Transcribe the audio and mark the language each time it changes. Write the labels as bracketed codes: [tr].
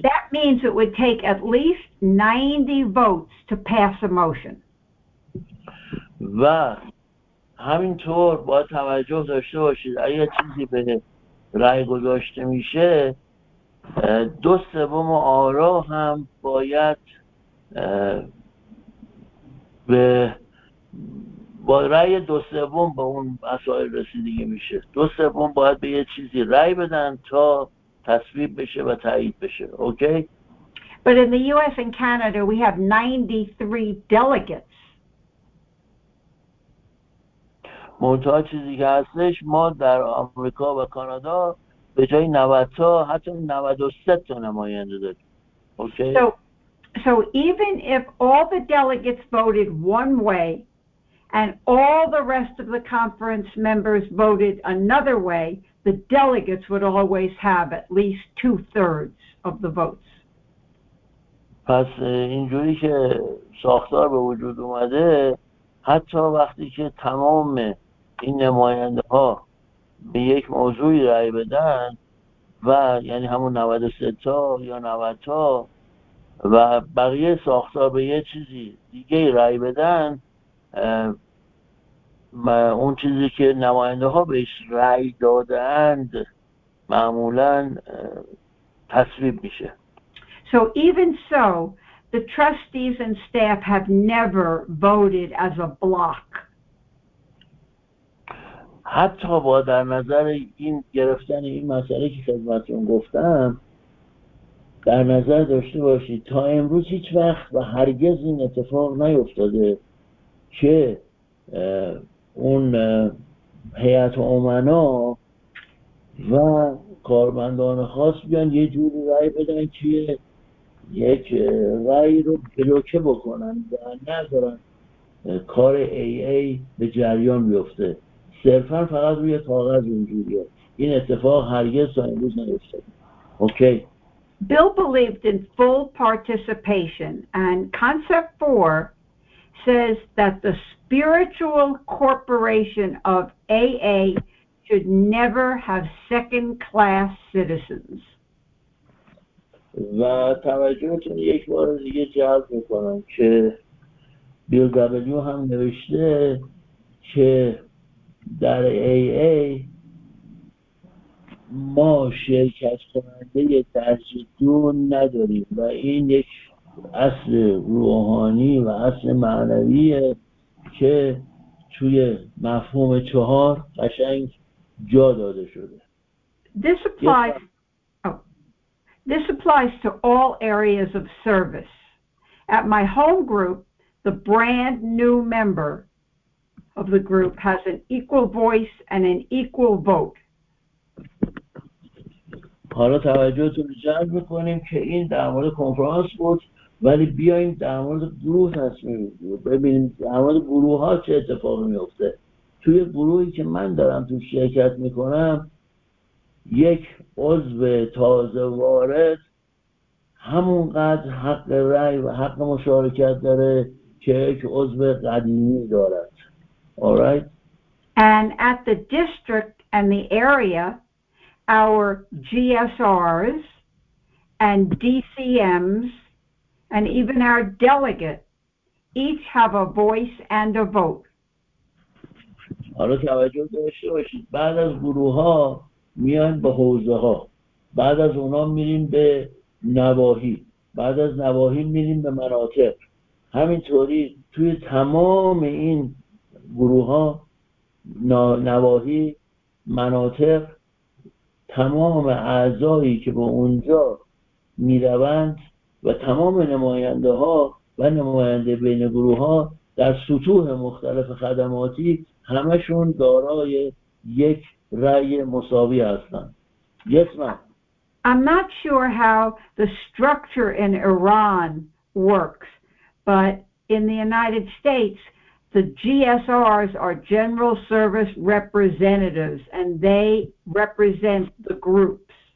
[en] That means it would take at least 90 votes to pass a motion. [fa] و همینطور با توجه داشته باشید اگه چیزی به رأی گذاشته میشه 2/3 آرا هم باید به با رأی 2/3 به اون مسائل رسیدگی میشه. 2/3 باید به یه چیزی رأی بدن تا تصویب بشه و تایید بشه. اوکی؟ [en] But in the US and Canada we have 93 delegates. [fa] منتها چیزی که هستش ما در آمریکا و کانادا به جای 90 تا حتی 93 تا نماینده داریم. اوکی؟ [en] So even if all the delegates voted one way and all the rest of the conference members voted another way, the delegates would always have at least 2/3 of the votes. [fa] پس اینجوری که ساختار به وجود اومده حتی وقتی که تمام این نماینده ها به یک موضوعی رأی بدن و یعنی همون 93 تا یا 90 تا و بقیه ساختار به یه چیزی دیگه رأی بدن، اون چیزی که نماینده ها بهش رأی دادند معمولا تصویب میشه. [en] So even so, the trustees and staff have never voted as a block. [fa] حتی با در نظر این گرفتن این مسئله که خدمتون گفتم در نظر داشته باشید، تا امروز هیچ وقت و هرگز این اتفاق نیفتاده که اون هیئت امنا و کارمندان خاص بیان یه جوری رأی بدن که یک رأی رو بلوکه بکنن و نذارن کار AA به جریان بیفته. صرفا فقط روی کاغذ اونجوریه. این اتفاق هرگز تا امروز نیفتاده. اوکی. [en] Bill believed in full participation, and concept 4 says that the spiritual corporation of AA should never have second-class citizens. [fa] و توجهتون یک بار دیگه جلب میکنم که بیل دبلیو هم نوشته که در AA ما شرکت کننده ترجیح دو نداریم و این یک اصل روحانی و اصل معنویه که توی مفهوم چهار قشنگ جا داده شده. [en] This applies to all areas of service. At my home group, the brand new member of the group has an equal voice and an equal vote. [fa] حالا توجهتون رو جلب میکنیم که این در مورد کنفرانس بود، ولی بیاییم در مورد گروه تصمیم ببینیم در مورد گروه ها چه اتفاقی میفته. توی گروهی که من دارم توی شرکت میکنم یک عضو تازه وارد همونقدر حق رأی و حق مشارکت داره که یک عضو قدیمی دارد. [en] Alright. And at the district and the area, our GSRs and DCMs and even our delegate each have a voice and a vote. [fa] حالا توجه داشته باشید، بعد از گروه ها میان به حوزه ها، بعد از اونا میریم به نواحی، بعد از نواحی میریم به مناطق. همینطوری توی تمام این گروه ها، نواحی، مناطق، تمام اعضایی که به اونجا میروند و تمام نماینده ها و نماینده بین گروه ها در سطوح مختلف خدماتی همشون دارای یک رأی مساوی هستند. [en] Yes, ma'am. I'm not sure how the structure in Iran works, but in the United States, the GSRs are General Service Representatives, and they represent the groups.